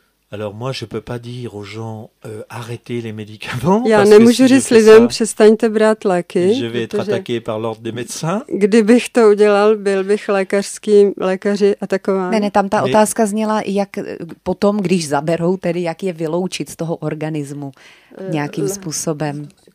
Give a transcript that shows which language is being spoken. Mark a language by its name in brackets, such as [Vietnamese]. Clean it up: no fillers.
[French] Alors moi je peux pas dire aux gens arrêtez les médicaments. [Czech] Já nemůžu říct lidem, přestaňte brát léky. [French] Je vais être attaqué par l'ordre des médecins. [Czech] Kdybych to udělal, byl bych lékaři atakován. Ne, tam ta otázka zněla, jak potom, když zaberou, tedy jak je vyloučit z toho organismu nějakým způsobem.